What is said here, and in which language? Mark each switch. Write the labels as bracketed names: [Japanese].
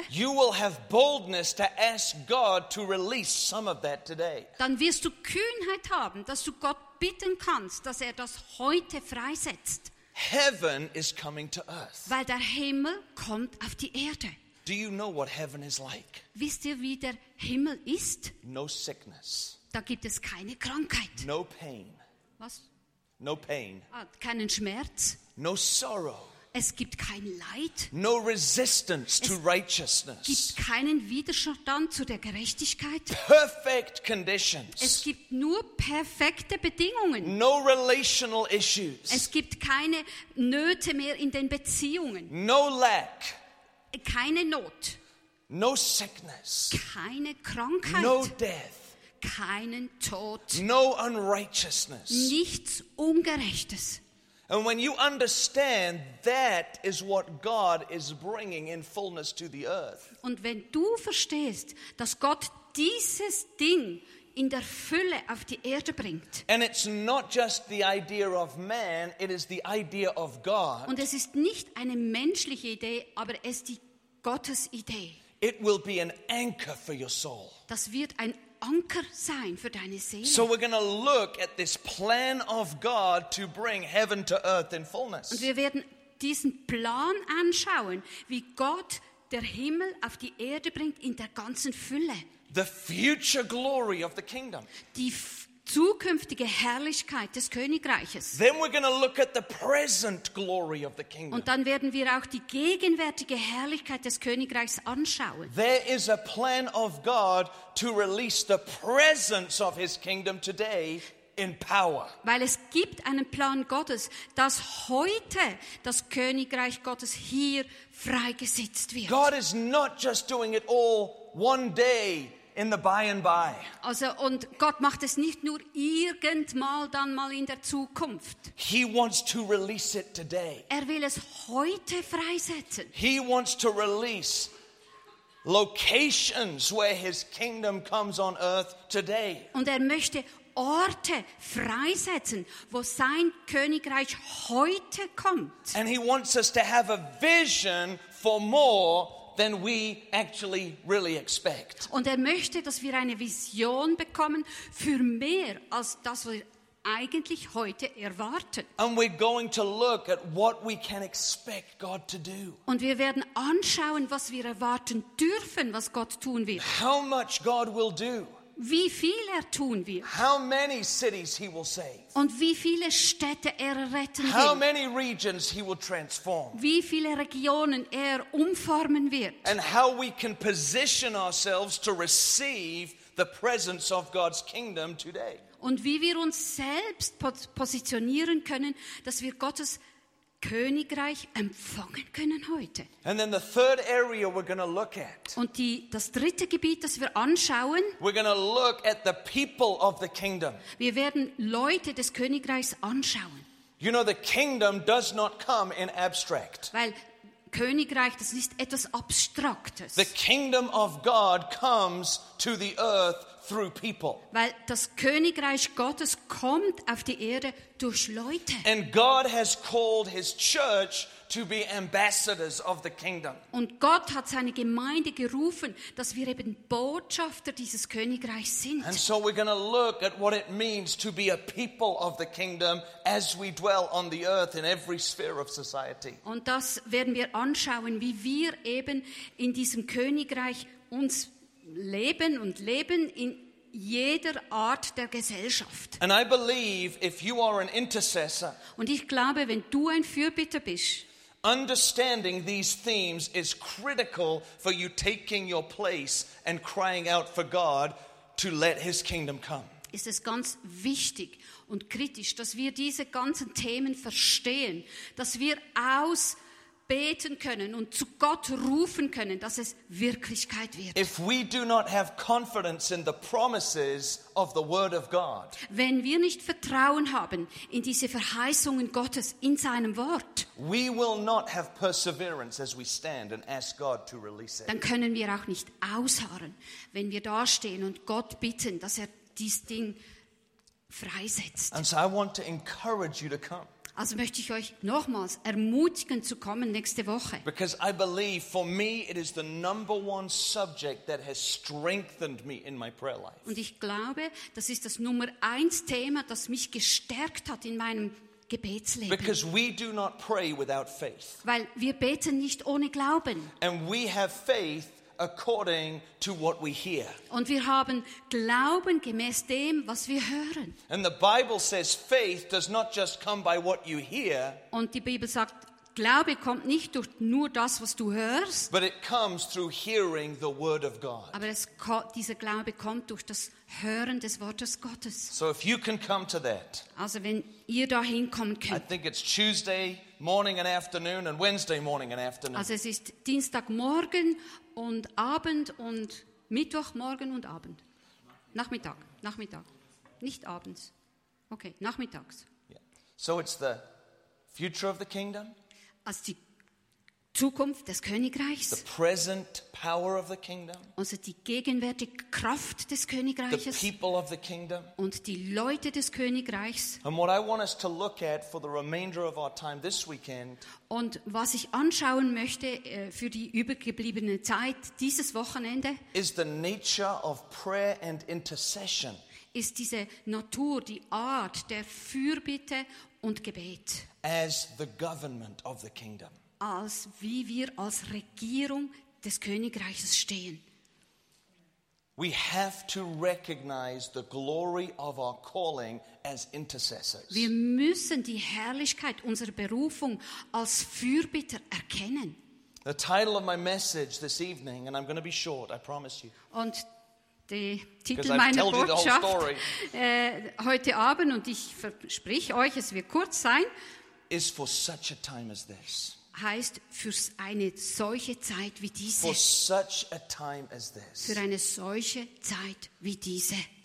[English] You will have boldness to ask God to release some of that today. [German] Dann wirst du Kühnheit haben, dass du Gott bitten kannst, dass er das heute freisetzt. [English] Heaven is coming to earth. [German] Weil der Himmel kommt auf die Erde. [English] Do you know what heaven is like? [German] Wisst ihr, wie der Himmel ist? [English] No sickness. [German] Da gibt es keine Krankheit. [English] No pain. [German] Was? [English] No pain. [German] Ah, keinen Schmerz. [English] No sorrow. [German] Es gibt kein Leid. [English] No resistance to righteousness. [German] Es gibt keinen Widerstand zu der Gerechtigkeit. [English] Perfect conditions. [German] Es gibt nur perfekte Bedingungen. [English] No relational issues. [German] Es gibt keine Nöte mehr in den Beziehungen. [English] No lack. [German] Keine Not. [English] No sickness. [German] Keine Krankheit. [English] No death. [German] Keinen Tod. [English] No unrighteousness. [German] Nichts Ungerechtes. [English] And when you understand that is what God is bringing in fullness to the earth. [German] Und wenn du verstehst, dass Gott dieses Ding in der Fülle auf die Erde bringt. [English] And it's not just the idea of man, it is the idea of God. [German] Und es ist nicht eine menschliche Idee, aber es ist die Gottes Idee. [English] It will be an anchor for your soul. [German] Das wird ein Anker sein für deine Seele. [English] So we're going to look at this plan of God to bring heaven to earth in fullness. [German] Und wir werden diesen Plan anschauen, wie Gott der Himmel auf die Erde bringt in der ganzen Fülle. [English] The future glory of the kingdom. [German] Die zukünftige Herrlichkeit des Königreiches. [English] Then we're going to look at the present glory of the kingdom. [German] Und dann werden wir auch die gegenwärtige Herrlichkeit des Königreichs anschauen. [English] There is a plan of God to release the presence of his kingdom today in power. [German] Weil es gibt einen Plan Gottes, dass heute das Königreich Gottes hier freigesetzt wird. [English] God is not just doing it all one day. In the by and by. [German] Also, und Gott macht es nicht nur irgendmal dann mal in der Zukunft. [English] He wants to release it today. [German] Er will es heute freisetzen. [English] He wants to release locations where his kingdom comes on earth today. [German] Und er möchte Orte freisetzen, wo sein Königreich heute kommt. [English] And he wants us to have a vision for more than we actually really expect. [German] Und er möchte, dass wir eine Vision bekommen für mehr als das, was wir eigentlich heute erwarten. [English] And we're going to look at what we can expect God to do. [German] Und wir werden anschauen, was wir erwarten dürfen, was Gott tun wird. [English] How much God will do. [German] Wie viel er tun wird. [English] How many cities he will save. [German] Und wie viele Städte er retten [English] How will. Many regions he will transform. [German] Wie viele Regionen er umformen wird. [English] And how we can position ourselves to receive the presence of God's kingdom today. [German] Und wie wir uns selbst positionieren können, dass wir Gottes Königreich empfangen können heute. [English] And then the third area we're going to look at. [German] Und das dritte Gebiet, das wir anschauen. [English] We're going to look at the people of the kingdom. [German] Wir werden Leute des Königreichs anschauen. [English] You know, the kingdom does not come in abstract. [German] Weil Königreich, das ist etwas Abstraktes. [English] The kingdom of God comes to the earth through people. [German] Weil das Königreich Gottes kommt auf die Erde durch Leute. [English] And God has called his church to be ambassadors of the kingdom. [German] Und Gott hat seine Gemeinde gerufen, dass wir eben Botschafter dieses Königreichs sind. [English] And so we're going to look at what it means to be a people of the kingdom as we dwell on the earth in every sphere of society. [German] Und das werden wir anschauen, wie wir eben in diesem Königreich uns leben und leben in jeder Art der Gesellschaft. [English] And I believe if you are an intercessor, [German] und ich glaube, wenn du ein Fürbitter bist, [English] understanding these themes is critical for you taking your place and crying out for God to let his kingdom come. [German] Ist es ganz wichtig und kritisch, dass wir diese ganzen Themen verstehen, dass wir aus beten können und zu Gott rufen können, dass es Wirklichkeit wird. [English] If we do not have confidence in the promises of the Word of God, [German] wenn wir nicht Vertrauen haben in diese Verheißungen Gottes in seinem Wort, [English] we will not have perseverance as we stand and ask God to release it. [German] Dann können wir auch nicht ausharren, wenn wir dastehen und Gott bitten, dass er dies Ding freisetzt. [English] And so I want to encourage you to come. [German] Also möchte ich euch nochmals ermutigen zu kommen nächste Woche. [English] Because I believe for me it is the number one subject that has strengthened me in my prayer life. [German] Und ich glaube, das ist das Nummer eins Thema, das mich gestärkt hat in meinem Gebetsleben. [English] Because we do not pray without faith. [German] Weil wir beten nicht ohne Glauben. [English] And we have faith according to what we hear. [German] Und wir haben Glauben gemäß dem, was wir hören. [English] And the Bible says faith does not just come by what you hear. [German] Und die Bibel sagt, Glaube kommt nicht durch nur das, was du hörst. [English] But it comes through hearing the word of God. [German] Aber dieser Glaube kommt durch das Hören des Wortes Gottes. [English] So if you can come to that. [German] Also wenn ihr da hinkommen könnt. [English] I think it's Tuesday morning and afternoon and Wednesday morning and afternoon. [German] Also es ist Dienstagmorgen und Abend und Mittwochmorgen und Abend. Nachmittag. Nicht abends. Okay, nachmittags. [English] Yeah. So it's the future of the kingdom. [German] Also die Zukunft des Königreichs. [English] The present power of the kingdom. [German] Also die gegenwärtige Kraft des Königreiches. [English] The people of the kingdom. [German] Und die Leute des Königreichs. [English] And what I want us to look at for the remainder of our time this weekend. [German] Und was ich anschauen möchte für die übergebliebene Zeit dieses Wochenende. [English] Is the nature of prayer and intercession. [German] Ist diese Natur, die Art der Fürbitte und Gebet. [English] As the government of the kingdom. [German] Als wie wir als Regierung des Königreiches stehen. [English] We have to recognize the glory of our calling as intercessors. [German] Wir müssen die Herrlichkeit unserer Berufung als Fürbitter erkennen. [English] The title of my message this evening, and I'm going to be short, I promise you. [German] Und der Titel meiner Botschaft heute Abend, und ich verspreche euch, es wird kurz sein, [English] is for such a time as this. [German] Heißt, für eine solche Zeit wie diese. [English] For such a time as this. [German] Für eine solche Zeit wie diese.